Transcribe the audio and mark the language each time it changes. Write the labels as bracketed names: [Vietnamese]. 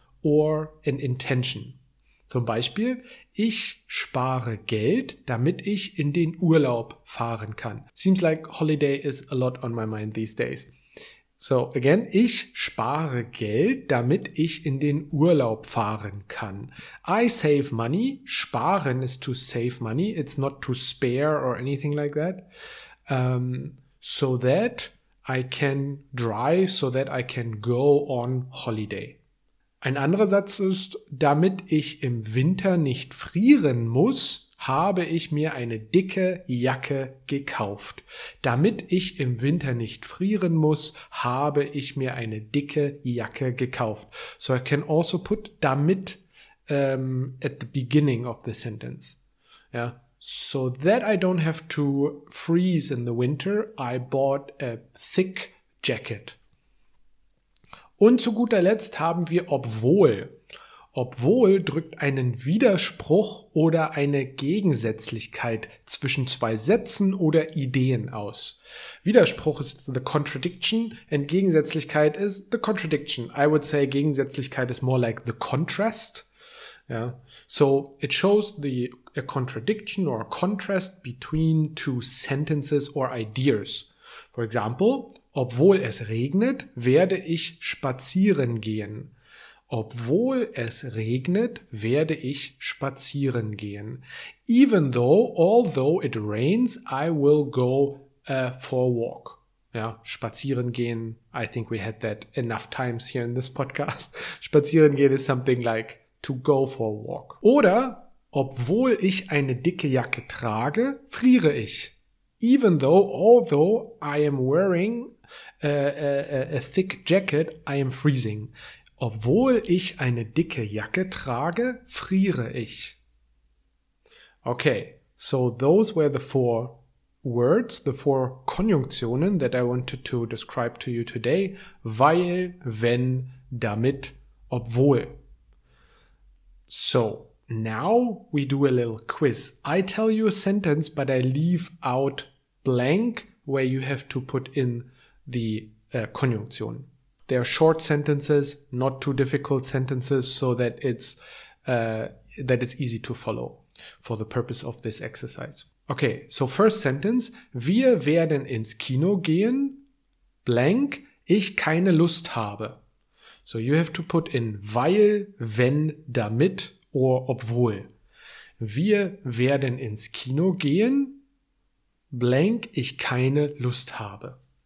[English] or an intention. [German] Zum Beispiel, ich spare Geld, damit ich in den Urlaub fahren kann. [English] Seems like holiday is a lot on my mind these days. So again, [German] ich spare Geld, damit ich in den Urlaub fahren kann. [English] I save money. Sparen is to save money. It's not to spare or anything like that. So that I can drive, so that I can go on holiday. [German] Ein anderer Satz ist, damit ich im Winter nicht frieren muss, habe ich mir eine dicke Jacke gekauft. Damit ich im Winter nicht frieren muss, habe ich mir eine dicke Jacke gekauft. [English] So I can also put damit at the beginning of the sentence. Yeah. So that I don't have to freeze in the winter, I bought a thick jacket. [German] Und zu guter Letzt haben wir obwohl. Obwohl drückt einen Widerspruch oder eine Gegensätzlichkeit zwischen zwei Sätzen oder Ideen aus. [English] Widerspruch ist the contradiction and Gegensätzlichkeit ist the contradiction. I would say Gegensätzlichkeit is more like the contrast. Yeah. So it shows a contradiction or a contrast between two sentences or ideas. For example, [German] obwohl es regnet, werde ich spazieren gehen. Obwohl es regnet, werde ich spazieren gehen. [English] Although it rains, I will go for a walk. [German] Ja, spazieren gehen, [English] I think we had that enough times here in this podcast. Spazieren gehen is something like to go for a walk. [German] Oder, obwohl ich eine dicke Jacke trage, friere ich. [English] Although I am wearing a thick jacket, I am freezing. [German] Obwohl ich eine dicke Jacke trage, friere ich. [English] Okay, so those were the four words, the four Konjunktionen that I wanted to describe to you today. [German] Weil, wenn, damit, obwohl. [English] So, now we do a little quiz. I tell you a sentence, but I leave out blank where you have to put in the Konjunktion. They are short sentences, not too difficult sentences, so that it's easy to follow for the purpose of this exercise. Okay, so first sentence, [German] wir werden ins Kino gehen, blank, ich keine Lust habe. [English] So you have to put in weil, wenn, damit or obwohl. [German] Wir werden ins Kino gehen, blank, ich keine Lust habe.